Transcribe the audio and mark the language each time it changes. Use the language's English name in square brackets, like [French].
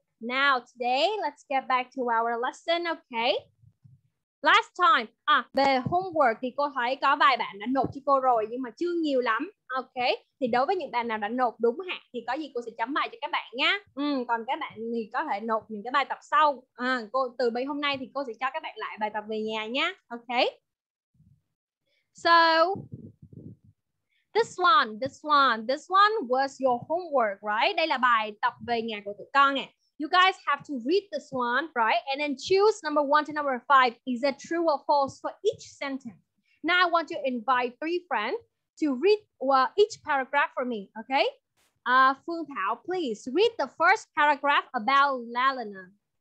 [English] Now today, let's get back to our lesson, ok? Last time, [Vietnamese] về homework thì cô thấy có vài bạn đã nộp cho cô rồi nhưng mà chưa nhiều lắm. Ok, thì đối với những bạn nào đã nộp đúng hạn thì có gì cô sẽ chấm bài cho các bạn nhé. Còn các bạn thì có thể nộp những cái bài tập sau. Cô từ bây hôm nay thì cô sẽ cho các bạn lại bài tập về nhà nhé. Ok. [English] So, this one was your homework, right? [Vietnamese] Đây là bài tập về nhà của tụi con nè. [English] You guys have to read this one, right? And then choose number one to number five. Is it true or false for each sentence? Now I want to invite three friends to read each paragraph for me, okay? Phuong Thao, please read the first paragraph about Lalana.